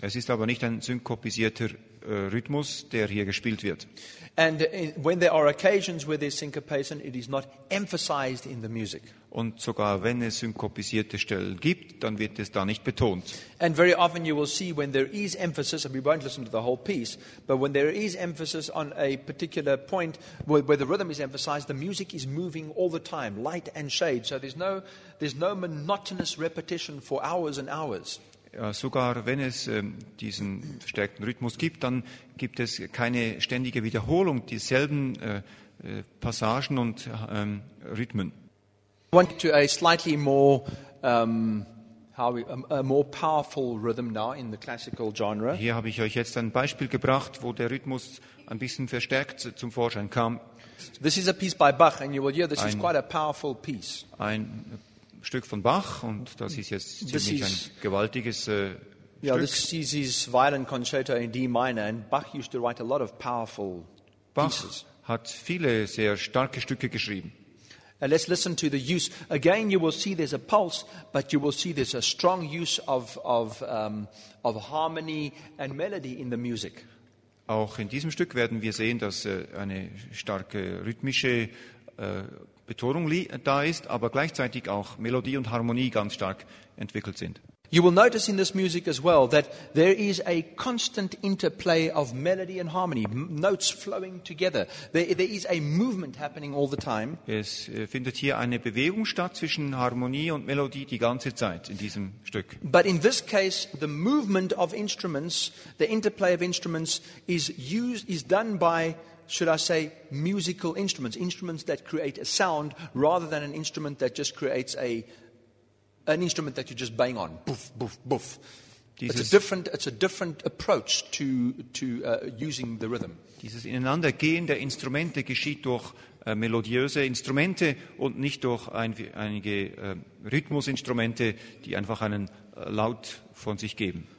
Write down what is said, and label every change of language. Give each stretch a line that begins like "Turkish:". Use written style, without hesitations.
German: Es ist aber nicht ein synkopisierter Rhythmus, der hier gespielt wird.
English: And when there are occasions where there's syncopation, it is not emphasized in the music.
German: Und sogar wenn es synkopisierte Stellen gibt, dann wird es da nicht betont.
English: And very often you will see when there is emphasis, and we won't listen to the whole piece, but when there is emphasis on a particular point where the rhythm is emphasized, the music is moving all the time, light and shade. So there's no monotonous repetition for hours and hours.
German: Sogar wenn es diesen verstärkten Rhythmus gibt, dann gibt es keine ständige Wiederholung dieselben Passagen und Rhythmen.
English: I want to a slightly more a more powerful rhythm now in the classical genre.
German: Hier habe ich euch jetzt ein Beispiel gebracht, wo der Rhythmus ein bisschen verstärkt zum Vorschein kam.
English: This is a piece by Bach, and you will hear this is quite a powerful piece.
German: Ein Stück von Bach, und das ist jetzt ziemlich ein gewaltiges Stück.
English: Yeah, this is Violin Concerto in D minor, and Bach used to write a lot of powerful Bach pieces.
German: Bach hat viele sehr starke Stücke geschrieben.
English: And let's listen to the use. Again, you will see there's a pulse, but you will see there's a strong use of harmony and melody in the music.
German: Auch in diesem Stück werden wir sehen, dass eine starke rhythmische Betonung da ist, aber gleichzeitig auch Melodie und Harmonie ganz stark entwickelt sind.
English: You will notice in this music as well that there is a constant interplay of melody and harmony, notes flowing together. There is a movement happening all the time.
German: Es findet hier eine Bewegung statt zwischen Harmonie und Melodie die ganze Zeit in diesem Stück.
English: But in this case, the movement of instruments, the interplay of instruments is done by, should I say, musical instruments, instruments that create a sound rather than an instrument that just creates an instrument that you just bang on, boof, boof, boof. It's a different approach to using the rhythm.
German: Dieses Ineinandergehen der Instrumente geschieht durch melodiöse Instrumente und nicht durch einige Rhythmusinstrumente, die einfach einen Laut von sich geben.